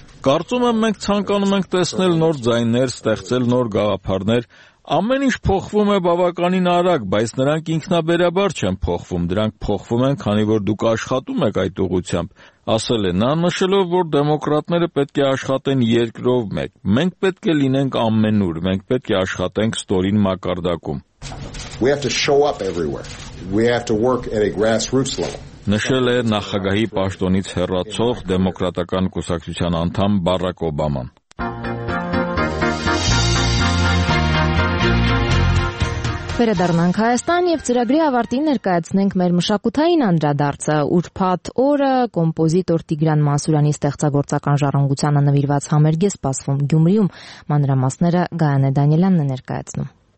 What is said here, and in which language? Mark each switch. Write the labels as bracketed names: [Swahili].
[Armenian] Կարծում եմ, մենք ցանկանում ենք տեսնել նոր ձայներ, ստեղծել նոր գաղափարներ։ Ամեն ինչ փոխվում է բավականին արագ, բայց նրանք ինքնաբերաբար չեն փոխվում, դրանք փոխվում են, քանի որ դուք աշխատում եք այդ ուղղությամբ, ասել է նա, նշելով, որ դեմոկրատները պետք է աշխատեն երկրով մեկ, մենք պետք է լինենք ամենուր, մենք պետք է աշխատենք ստորին մակարդակում։ [English] We have to show up everywhere. We have to work at a grassroots level. [Armenian] Նշել է նախագահի պաշտոնից հեռացող դեմոկրատական կուսակցության անդամ Բարակ Օբաման։ Վերադառնանք Հայաստան և ծրագրի ավարտին ներկայացնենք մեր մշակութային անդրադարձը, ուրբաթ օրը կոմպոզիտոր Տիգրան Մասուրյանի ստեղծագործական ժառանգությանը նվիրված համերգ է սպասվում Գյումրիում, մանրամասները Գայանե Դանիելյանն է ներկայացնում։